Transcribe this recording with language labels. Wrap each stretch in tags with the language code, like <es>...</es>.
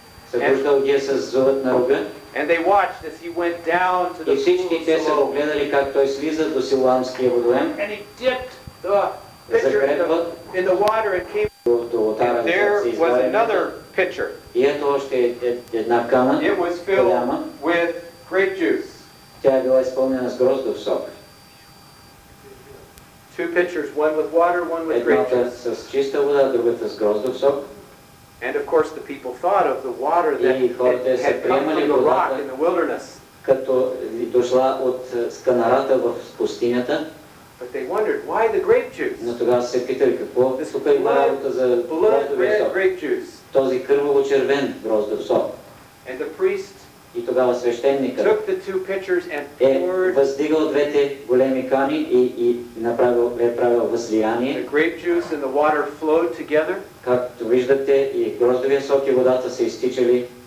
<bg>Събуждал ги с зовът на рога.</bg> <en>And they watched as he went down to the</en> <bg>И всички те са гледали как той слиза до Силоамския водоем.</bg> <en>And he dipped the pitcher in the water and came. And there was another pitcher.</en> <bg>И ето още една кана.</bg> <en>It was filled with grape juice.</en> <bg>Тя била изпълнена с гроздов сок.</bg> <en>Two pitchers, one with water, one with grape juice.</en> <bg>Едната с чиста вода, другата с гроздов сок.</bg> <en>And of course the people thought of the water that had come from the rock in the wilderness.</en> <bg>Като дошла от скънарата в пустинята.</bg> <en>But they wondered why the grape juice.</en> <bg>Но тогава се питали какво тук има работа за</bg> <en>grape juice.</en> <bg>Този кърваво червен гроздов сок.</bg> <en>And the priest</en> <bg>и тогава свещеникът е въздигал двете големи кани и направил възлияние.</bg> <en>The grape juice and the water flowed together.</en> <bg>Както виждате, и гроздовия сок и водата се изтичали</bg>